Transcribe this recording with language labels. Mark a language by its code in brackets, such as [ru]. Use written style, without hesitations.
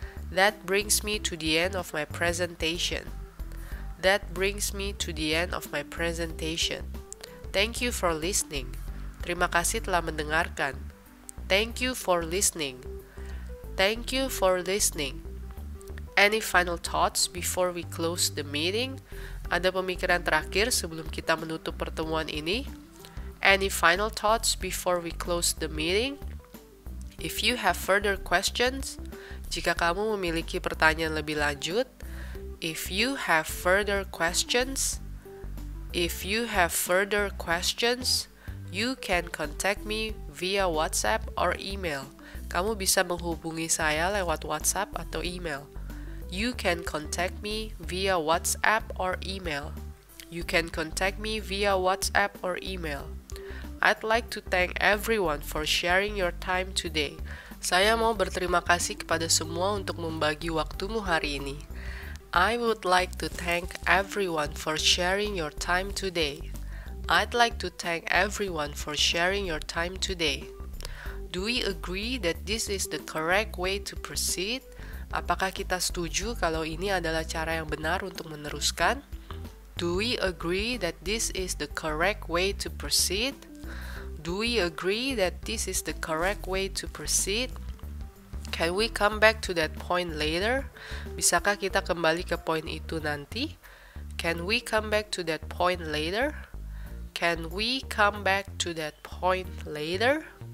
[en] That brings me to the end of my presentation. That brings me to the end of my presentation. Thank you for listening. [id] Terima kasih telah mendengarkan. [en] Thank you for listening. Thank you for listening. Any final thoughts before we close the meeting? [id] Ada pemikiran terakhir sebelum kita menutup pertemuan ini? [en] Any final thoughts before we close the meeting? If you have further questions, [id] jika kamu memiliki pertanyaan lebih lanjut, [en] if you have further questions, if you have further questions, you can contact me via WhatsApp or email. [id] Kamu bisa menghubungi saya lewat WhatsApp atau email. [en] You can contact me via WhatsApp or email. You can contact me via WhatsApp or email. I'd like to thank everyone for sharing your time today. [id] Saya mau berterima kasih kepada semua untuk membagi waktumu hari ini. [en] I would like to thank everyone for sharing your time today. I'd like to thank everyone for sharing your time today. Do we agree that this is the correct way to proceed? [id] Apakah kita setuju kalau ini adalah cara yang benar untuk meneruskan? [en] Do we agree that this is the correct way to proceed? Do we agree that this is the correct way to proceed? Can we come back to that point later? [id] Bisakah kita kembali ke poin itu nanti? [en] Can we come back to that point later? Can we come back to that point later?